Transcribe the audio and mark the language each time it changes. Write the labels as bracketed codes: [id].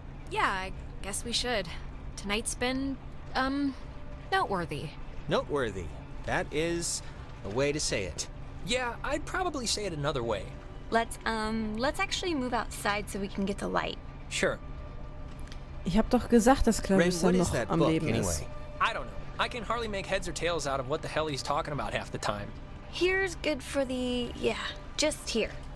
[en] Yeah, I guess we should. Tonight's been, noteworthy. Noteworthy. That is a way to say it. Yeah, I'd probably say it another way. Let's actually move outside so we can get the light. Sure. [de] Ich habe doch gesagt, dass Clarissa noch am Leben ist. [en] I don't know. I can hardly make heads or tails out of what the hell he's talking about half the time. Here's good for the yeah, just here.